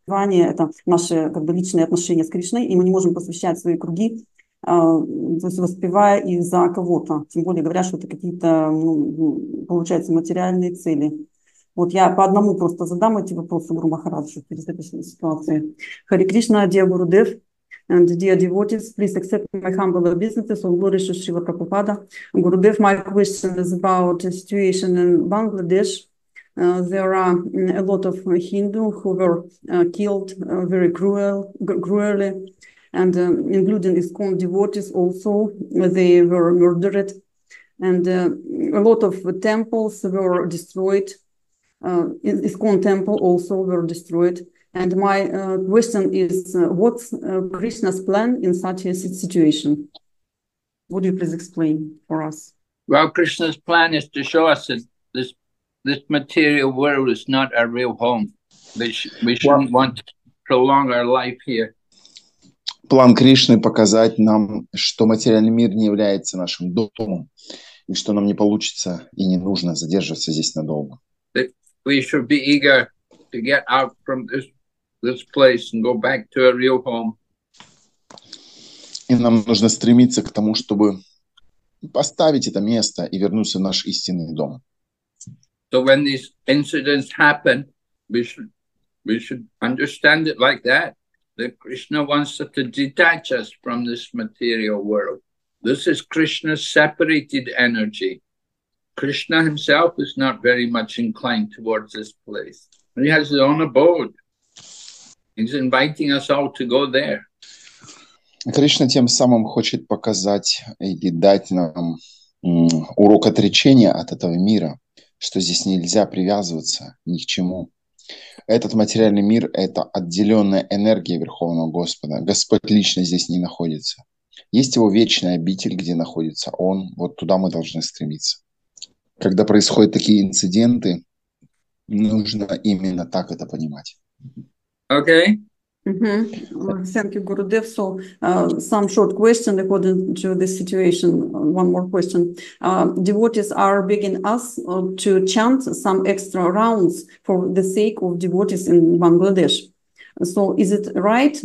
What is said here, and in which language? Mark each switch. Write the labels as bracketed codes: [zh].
[ru] Вание – это наши как бы, личные отношения с Кришной, и мы не можем посвящать свои круги, то есть воспевая их за кого-то. Тем более говорят, что это какие-то, ну, получается, материальные цели. Вот я по одному просто задам эти вопросы Гуру Махараджу в перезаписной ситуации. Харе Кришна, Диа Гуру Дев. [en] And dear devotees, please accept my humble obeisances of Lord Srila Prabhupada. Gurudev, my question is about the situation in Bangladesh. There are a lot of Hindu who were killed very cruelly, and including ISKCON devotees also, they were murdered. And a lot of temples were destroyed. ISKCON temple also were destroyed. And my question is, what's Krishna's plan in such a situation? Would you please explain for us? Well, Krishna's plan is to show us that this material world is not our real home. We shouldn't want to prolong our life here. [ru] План Кришны показать нам, что материальный мир не является нашим домом, и что нам не получится и не нужно задерживаться здесь надолго. [en] That we should be eager to get out from this place and go back to a real home. [ru] И нам нужно стремиться к тому, чтобы поставить это место и вернуться в наш истинный дом. [en] So when these incidents happen, we should understand it like that, that Krishna wants us to detach us from this material world. This is Krishna's separated energy. Krishna himself is not very much inclined towards this place. He has his own abode. He's inviting us all to go there. [ru] Кришна тем самым хочет показать или дать нам урок отречения от этого мира, что здесь нельзя привязываться ни к чему. Этот материальный мир – это отделенная энергия Верховного Господа. Господь лично здесь не находится. Есть его вечный обитель, где находится он. Вот туда мы должны стремиться. Когда происходят такие инциденты, нужно именно так это понимать. [en] Okay. Thank you, Gurudev. So, some short question according to this situation. One more question. Devotees are begging us to chant some extra rounds for the sake of devotees in Bangladesh. So, is it right?